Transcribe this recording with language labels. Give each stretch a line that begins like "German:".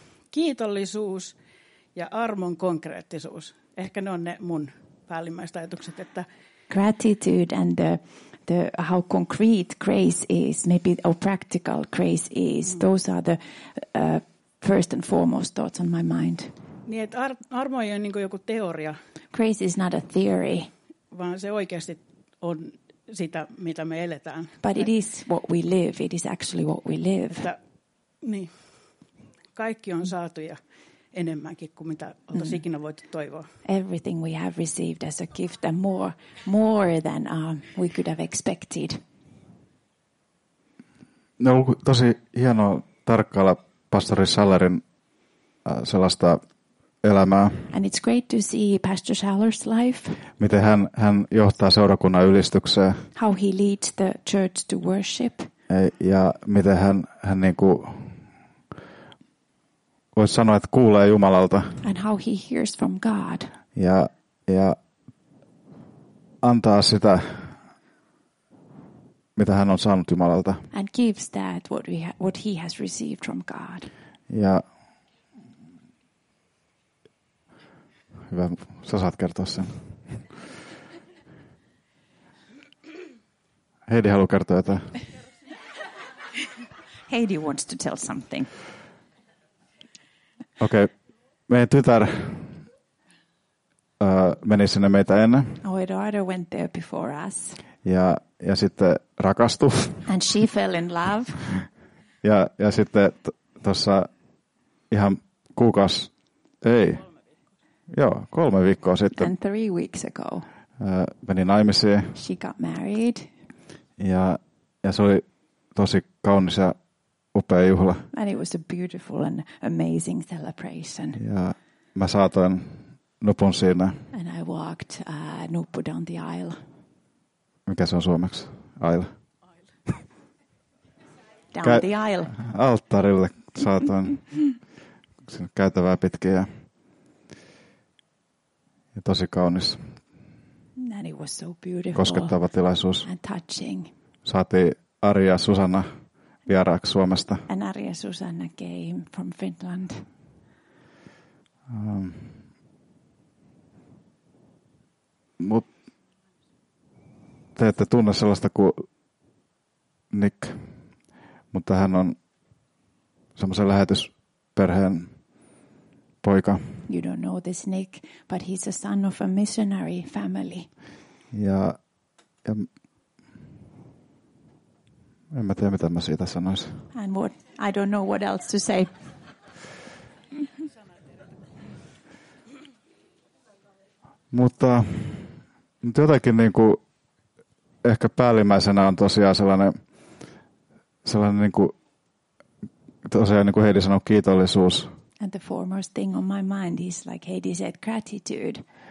Finnish: kiitollisuus ja armon konkreettisuus. Ehkä ne on ne mun päällimmäiset ajatukset, että
English: gratitude and the how concrete grace is, maybe how practical grace is. Mm. Those are the first and foremost thoughts on my mind.
Finnish: Niin, että armo ei ole niin kuin joku teoria.
English: Grace is not a theory.
Finnish: Vaan se oikeasti on sitä, mitä me eletään.
English: But it is what we live. It is actually what we live.
Finnish: Että, niin. Kaikki on saatu ja enemmänkin kuin mitä oltaisiin ikinä voitu toivoa.
English: Everything we have received as a gift and more than we could have expected.
Finnish: No, tosi hienoa tarkkailla pastori Schallerin sellaista elämää.
English: And it's great to see Pastor Schaller's life.
Finnish: Miten hän johtaa seurakunnan ylistykseen.
English: How he leads the church to worship.
Finnish: Ja miten hän niinku voisi sanoa, että kuulee Jumalalta.
English: And how he hears from God.
Finnish: Ja antaa sitä, mitä hän on saanut Jumalalta.
English: And gives that what he has received from God.
Finnish: Ja hyvä, sä saat kertoa sen. Heidi haluaa kertoa jotain.
English: Heidi wants to tell something.
Finnish: Okei, meidän tytär meni sinne meitä ennen.
English: Our daughter went there before us.
Finnish: Ja sitten rakastui.
English: And she fell in love.
Finnish: Ja sitten tuossa ihan kolme viikkoa sitten.
English: And 3 weeks ago.
Finnish: Meni naimisiin.
English: She got married.
Finnish: Ja se oli tosi kaunis ja upea juhla.
English: And it was a beautiful and amazing celebration.
Finnish: Ja mä saatoin nupun siinä.
English: And I walked nuppu down the aisle.
Finnish: Mikä se on suomeksi? Aisle.
English: down the aisle.
Finnish: Alttarille saatoin käytävää pitkin ja tosi kaunis.
English: And it was so beautiful.
Finnish: Koskettava tilaisuus.
English: And touching.
Finnish: Saatiin Ari ja Susanna vieraaksi Suomesta.
English: And Ari and Susanna came from Finland.
Finnish: Mut te ette tunne sellaista kuin Nick, mutta hän on semmoisen lähetysperheen poika.
English: You don't know this Nick, but he's a son of a missionary family.
Finnish: Ja en mä tiedä, mitä mä siitä sanoisin.
English: And what, I don't know what else to say.
Finnish: Mutta jotenkin niin kuin ehkä päällimmäisenä on tosiaan sellainen niin kuin tosiaan niin kuin Heidi sanoi, kiitollisuus.
English: And the foremost thing on my mind is like Heidi said, gratitude.